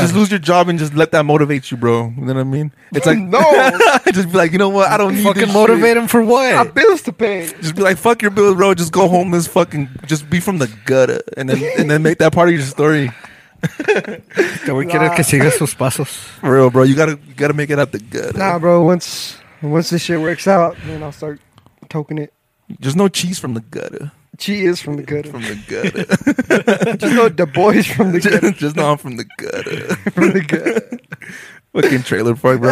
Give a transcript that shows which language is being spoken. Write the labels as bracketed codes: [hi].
[en] Just lose your job and just let that motivate you, bro. You know what I mean? It's like, no. Just be like, you know what? I don't need fucking motivate Him for what? I have bills to pay. Just be like, fuck your bills, bro. Just go home this fucking, just be from the gutter. And then make that part of your story. [es] Te voy a querer que sigas sus pasos. [en] For real, bro. You gotta make it out the gutter. Nah, bro. Once this shit works out, then I'll start toking it. There's no cheese from the gutter. Cheese from the gutter. From the gutter. Just no Du Bois from the gutter. Just no, I'm from the gutter. From the gutter. Fucking trailer park, bro.